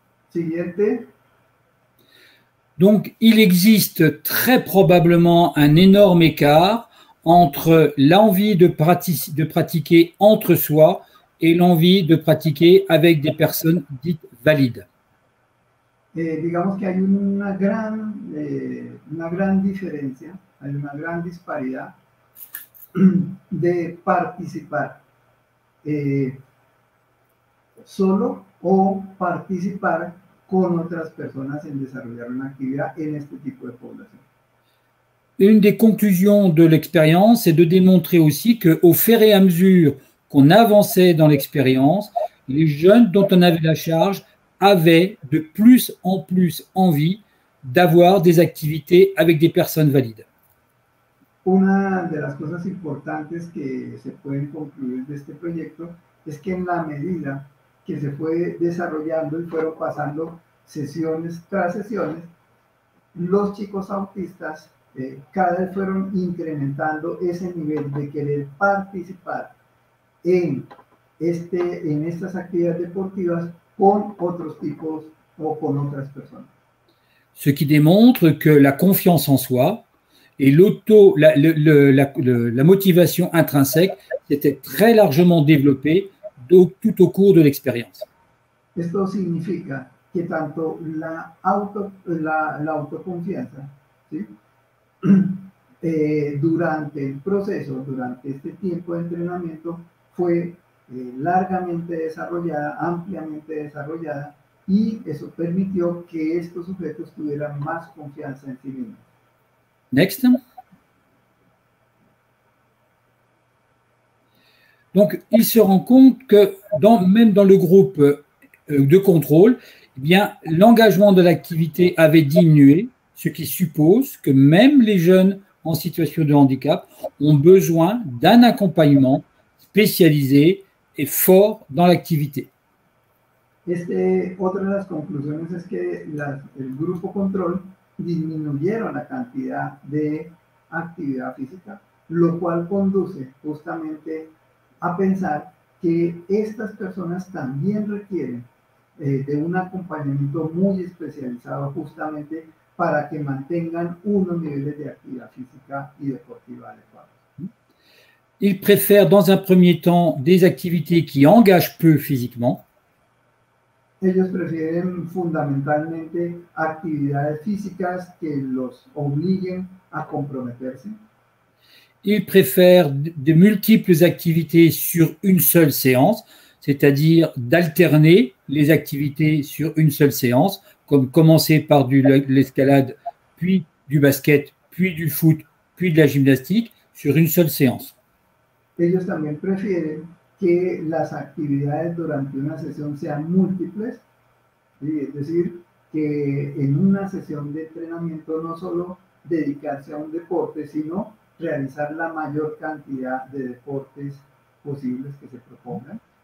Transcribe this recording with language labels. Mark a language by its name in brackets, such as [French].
[Spanish] Siguiente. [French] Donc, il existe très probablement un énorme écart entre l'envie de pratiquer entre soi et l'envie de pratiquer avec des personnes dites valides. [Spanish] Et digamos que hay una gran diferencia, hay una gran disparidad de participar. Solo o participar con otras personas en desarrollar una actividad en este tipo de población. [French] Une des conclusions de l'expérience est de démontrer aussi que, au fur et à mesure qu'on avançait dans l'expérience, les jeunes dont on avait la charge avaient de plus en plus envie d'avoir des activités avec des personnes valides. [Spanish] Una de las cosas importantes que se pueden concluir de este proyecto es que en la medida que se fue desarrollando y fueron pasando sesiones tras sesiones, los chicos autistas cada vez fueron incrementando ese nivel de querer participar en estas actividades deportivas con otros tipos o con otras personas. [French] Ce qui démontre que la confiance en soi et la motivation intrinsèque s'était très largement développée tout au cours de l'expérience. [Spanish] Esto significa que tanto la autoconfianza, ¿sí? Durante el proceso, durante este tiempo de entrenamiento, fue largamente desarrollada, ampliamente desarrollada, y eso permitió que estos sujetos tuvieran más confianza en sí mismos. [English] Next. [French] Donc, il se rend compte que même dans le groupe de contrôle, eh bien, l'engagement de l'activité avait diminué, ce qui suppose que même les jeunes en situation de handicap ont besoin d'un accompagnement spécialisé et fort dans l'activité. Autre des conclusions est que le groupe contrôle [Spanish] diminuyeron la quantité d'activité physique, lo cual conduce justement a pensar que estas personas también requieren de un acompañamiento muy especializado justamente para que mantengan unos niveles de actividad física y deportiva adecuados. [French] Ils préfèrent dans un premier temps des activités qui engagent peu physiquement. [Spanish] Ellos prefieren fundamentalmente actividades físicas que los obliguen a comprometerse. [French] Ils préfèrent de multiples activités sur une seule séance, c'est-à-dire d'alterner les activités sur une seule séance, comme commencer par de l'escalade, puis du basket, puis du foot, puis de la gymnastique, sur une seule séance. [Spanish] Ellos también prefieren que las actividades durante una sesión sean múltiples, es decir, que en una sesión de entrenamiento no solo dedicarse a un deporte, sino realizar la mayor cantidad de deportes posibles que se propongan.